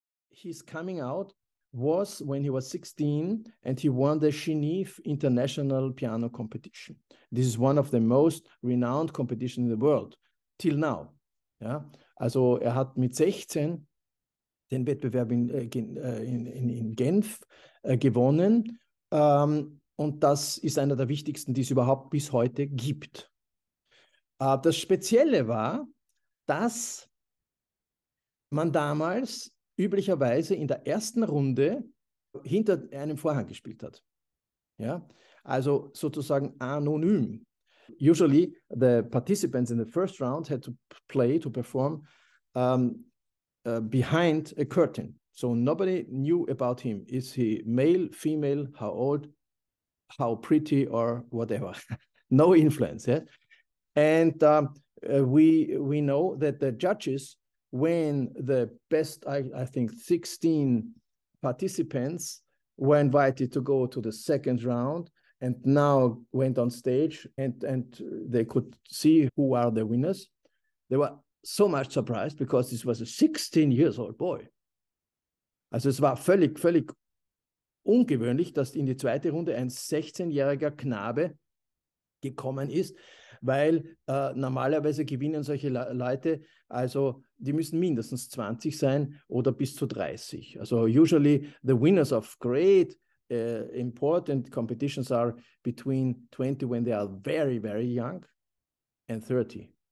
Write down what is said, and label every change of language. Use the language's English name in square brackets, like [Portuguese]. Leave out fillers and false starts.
[English] his coming out was when he was 16 and he won the Shinif International Piano Competition. This is one of the most renowned competitions in the world, till now. [German] Ja? Also er hat mit 16 den Wettbewerb in Genf gewonnen. Und das ist einer der wichtigsten, die es überhaupt bis heute gibt. Das Spezielle war, dass man damals üblicherweise in der ersten Runde hinter einem Vorhang gespielt hat. Ja? Also sozusagen anonym. [English] Usually the participants in the first round had to play, to perform behind a curtain. So nobody knew about him. Is he male, female, how old, how pretty or whatever. No influence. Yeah? And we know that the judges, when the best, I think, 16 participants were invited to go to the second round and now went on stage and they could see who are the winners, they were so much surprised because this was a 16-year-old boy. [German] Also es war völlig, völlig ungewöhnlich, dass in die zweite Runde ein 16-jähriger Knabe gekommen ist, weil normalerweise gewinnen solche Leute, also die müssen mindestens 20 sein oder bis zu 30. [English] Also usually the winners of great important competitions are between 20 when they are very, very young and 30.